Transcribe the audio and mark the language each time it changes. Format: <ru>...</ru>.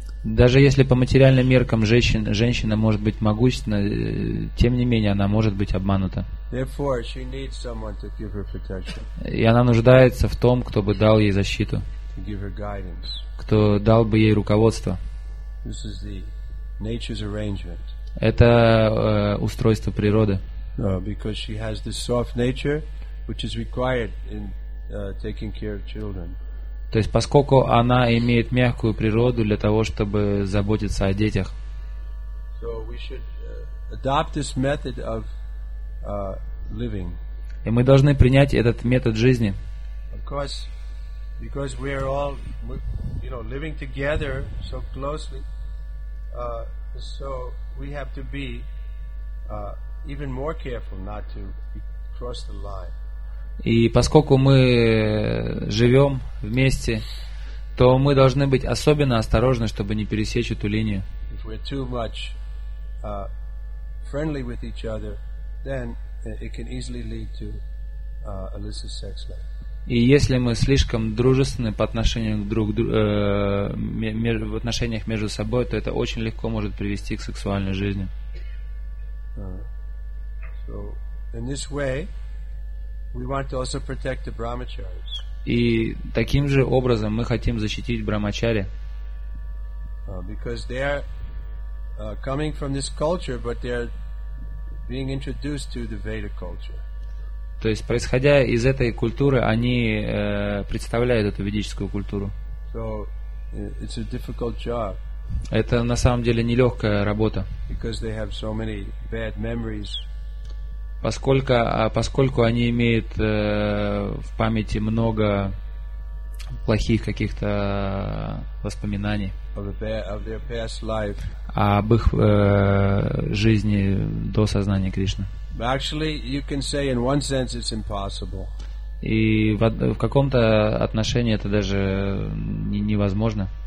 <ru>Даже если по материальным меркам женщина может быть могущественна, тем не менее она может быть обманута. И она нуждается в том, кто бы дал ей защиту.</ru> <en>to give her guidance.</en> <ru>Кто дал бы ей руководство?</ru> <en>This is the nature's arrangement.</en> <ru>Это устройство природы.</ru> <en>No, because she has this soft nature, which is required in taking care of children.</en> <ru>То есть, поскольку она имеет мягкую природу для того, чтобы заботиться о детях.</ru> <en>So we should adopt this method of living.</en> <ru>И мы должны принять этот метод жизни.</ru> <en>Of course, because we are all, you know, living together so closely, so we have to be even more careful not to cross the line.</en> <ru>И поскольку мы живем вместе, то мы должны быть особенно осторожны, чтобы не пересечь эту линию.</ru> <en>If we're too much friendly with each other, then it can easily lead to illicit sex life.</en> <ru>И если мы слишком дружественны по отношению друг в отношениях между собой, то это очень легко может привести к сексуальной жизни.</ru> <en>So in this way, we want to also protect the brahmacharis.</en> <ru>И таким же образом мы хотим защитить брахмачари.</ru> <en>Because they are coming from this culture, but they are being introduced to the Veda culture.</en> <ru>То есть, происходя из этой культуры, они представляют эту ведическую культуру.</ru> <en>So, it's a difficult job.</en> <ru>Это на самом деле нелегкая работа.</ru> <en>Because they have so many bad memories.</en> <ru>Поскольку они имеют в памяти много плохих каких-то воспоминаний</ru> <en>of their past life.</en> <ru>Об их жизни до сознания Кришны.</ru> <en>But actually, you can say in one sense it's impossible.</en> <ru>И в каком-то отношении это даже невозможно.</ru>